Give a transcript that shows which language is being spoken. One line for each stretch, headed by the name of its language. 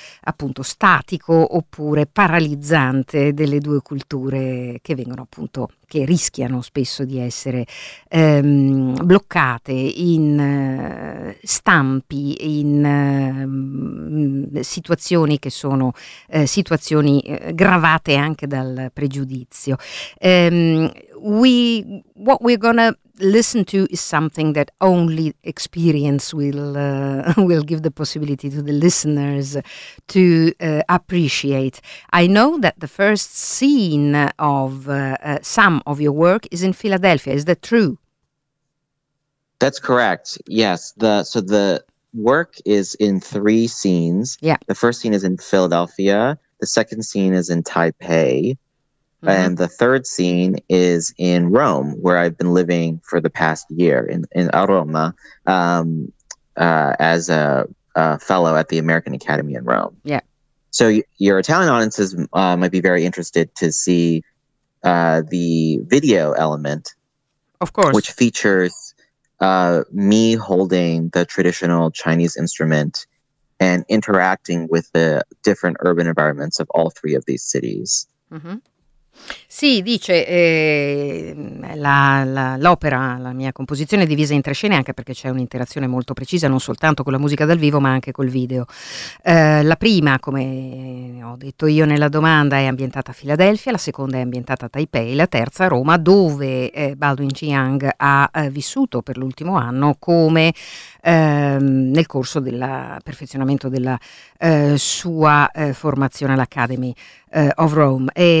Italian: appunto statico oppure paralizzante delle due culture che vengono appunto, che rischiano spesso di essere bloccate in stampi, in situazioni che sono situazioni gravate anche dal pregiudizio.
English: What we're gonna listen to is something that only experience will give the possibility to the listeners to appreciate. I know that the first scene of some of your work is in Philadelphia. Is that true? That's correct. Yes. The work is in three scenes. Yeah. The first scene is in Philadelphia. The second scene is in Taipei. And the third scene is in Rome, where I've been living for the past year in Roma as a fellow at the American Academy in Rome. Yeah. So your Italian audiences might be very interested to see the video element. Of course. Which features me holding the traditional Chinese instrument and interacting with the different urban environments of all three of these cities. Mm-hmm.
Italian: Sì, dice l'opera, la mia composizione è divisa in tre scene anche perché c'è un'interazione molto precisa non soltanto con la musica dal vivo ma anche col video. La prima, come ho detto io nella domanda, è ambientata a Filadelfia, la seconda è ambientata a Taipei, la terza a Roma, dove Baldwin Jiang ha vissuto per l'ultimo anno come nel corso del perfezionamento della sua formazione all'Academy of Rome.